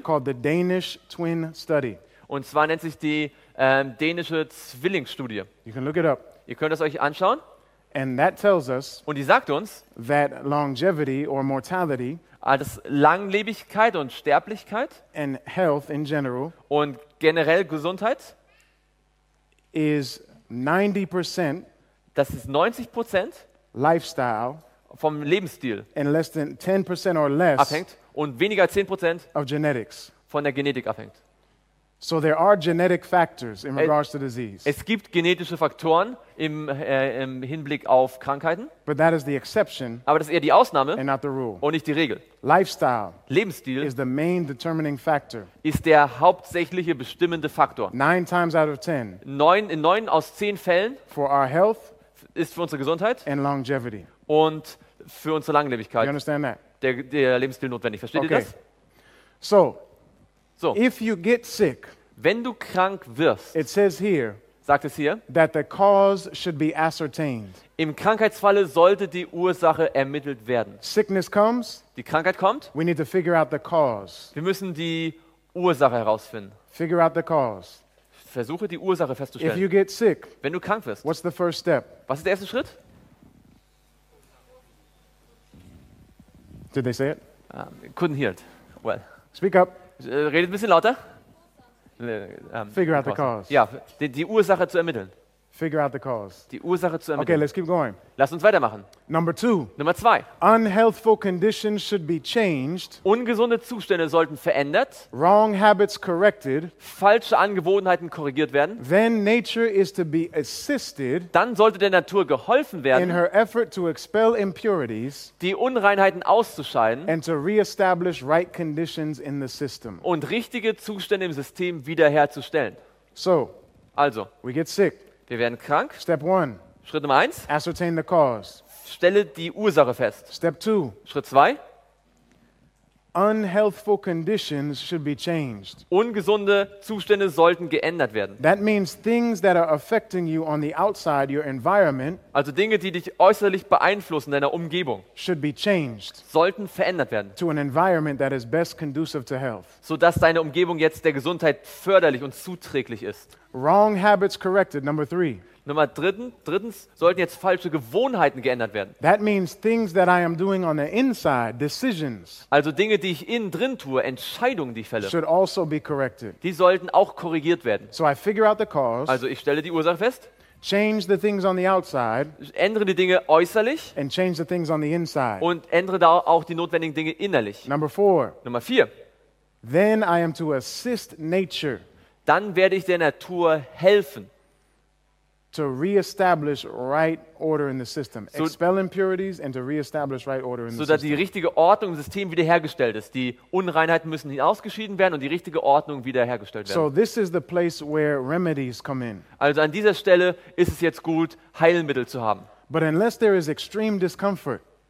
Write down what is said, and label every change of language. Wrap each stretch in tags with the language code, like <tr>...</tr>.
<en>Called the Danish Twin Study.</en> <de>Und zwar nennt sich die dänische Zwillingsstudie.</de> <en>You can look it up.</en> <de>Ihr könnt es euch anschauen.</de> <en>And that tells us.</en> <de>Und die sagt uns.</de> <en>That longevity or mortality.</en> <de>Als Langlebigkeit und Sterblichkeit</de> <en>and health in general</en> <de>und generell Gesundheit</de> <en>is 90%,</en> <de>das ist 90%</de> <en>lifestyle</en> <de>vom Lebensstil</de> <en>and less than 10% or less</en> <de>abhängt und weniger als 10%</de> <en>of genetics</en> <de>von der Genetik abhängt.</de> <en>So there are genetic factors in regards to disease.</en> <de>Es gibt genetische Faktoren im Hinblick auf Krankheiten.</de> <en>But that is the exception.</en> <de>Aber das ist eher die Ausnahme.</de> <en>And not the rule.</en> <de>Und nicht die Regel.</de> <en>Lifestyle.</en> <de>Lebensstil.</de> <en>Is the main determining factor.</en> <de>Ist der hauptsächliche bestimmende Faktor.</de> <en>9 times out of 10.</en> <de>In neun aus 10 Fällen.</de> <en>For our health.</en> <de>Ist für unsere Gesundheit.</de> <en>And longevity.</en> <de>Und für unsere Langlebigkeit.</de> <en>You understand that?</en> <de>Der Lebensstil notwendig. Versteht okay. ihr das?</de> <en>So. If you get sick,</en> <de>wenn du krank wirst,</de> <en>it says here,</en> <de>sagt es hier,</de> <en>that the cause should be ascertained.</en> <de>Im Krankheitsfalle sollte die Ursache ermittelt werden.</de> <en>Sickness comes,</en> <de>die Krankheit kommt,</de> <en>we need to figure out the cause.</en> <de>Wir müssen die Ursache herausfinden.</de> <en>Figure out the cause.</en> <de>Versuche die Ursache festzustellen.</de> <en>If you get sick,</en> <de>wenn du krank wirst,</de> <en>what's the first step?</en> <de>Was ist der erste Schritt?</de> <en>Did they say it? Couldn't hear it. Well, speak up.</en> <de>Redet ein bisschen lauter.</de> <en>Figure out the cause.</en> <de>Ja, die Ursache zu ermitteln.</de> <en>Figure out the cause.</en> <de>Die Ursache zu ermitteln.</de> <en>Okay, let's keep going.</en> <de>Lass uns weitermachen.</de> <en>Number two.</en> <de>Nummer zwei.</de> <en>Unhealthful conditions should be changed.</en> <de>Ungesunde Zustände sollten verändert.</de> <en>Wrong habits corrected.</en> <de>Falsche Angewohnheiten korrigiert werden.</de> <en>Then nature is to be assisted.</en> <de>Dann sollte der Natur geholfen werden.</de> <en>In her effort to expel impurities.</en> <de>Die Unreinheiten auszuscheiden.</de> <en>And to reestablish right conditions in the system.</en> <de>Und richtige Zustände im System wiederherzustellen.</de> <en>So.</en> <de>Also.</de> <en>We get sick.</en> <de>Wir werden krank.</de> <en>Step one.</en> <de>Schritt Nummer 1.</de> <en>Ascertain the cause.</en> <de>Stelle die Ursache fest.</de> <en>Step 2.</en> <de>Schritt 2.</de> <en>Unhealthful conditions should be changed.</en> <de>Ungesunde Zustände sollten geändert werden.</de> <en>That means things that are affecting you on the outside, your environment.</en> <de>Also Dinge, die dich äußerlich beeinflussen, deiner Umgebung.</de> <en>Should be changed.</en> <de>Sollten verändert werden.</de> <en>To an environment that is best conducive to health.</en> <de>So dass deine Umgebung jetzt der Gesundheit förderlich und zuträglich ist.</de> <en>Wrong habits corrected. Number 3.</en> <de>Nummer drittens sollten jetzt falsche Gewohnheiten geändert werden.</de> <en>That means things that I am doing on the inside, decisions.</en> <de>Also Dinge, die ich innen drin tue, Entscheidungen, die ich fälle.</de> <en>Should also be corrected.</en> <de>Die sollten auch korrigiert werden.</de> <en>So I figure out the cause.</en> <de>Also ich stelle die Ursache fest.</de> <en>Change the things on the outside.</en> <de>Ändere die Dinge äußerlich.</de> <en>And change the things on the inside.</en> <de>Und ändere da auch die notwendigen Dinge innerlich.</de> <en>Number 4.</en> <de>Nummer 4.</de> <en>Then I am to assist nature.</en> <de>Dann werde ich der Natur helfen.</de> <en>To reestablish right order in the system. Expel impurities and to reestablish right order in the system.</en> <de>So dass die richtige Ordnung im System wiederhergestellt ist. Die Unreinheiten müssen hinausgeschieden werden und die richtige Ordnung wiederhergestellt werden.</de> <en>So this is the place where remedies come in.</en> <de>Also an dieser Stelle ist es jetzt gut, Heilmittel zu haben.</de> <en>But unless there is extreme discomfort.</en>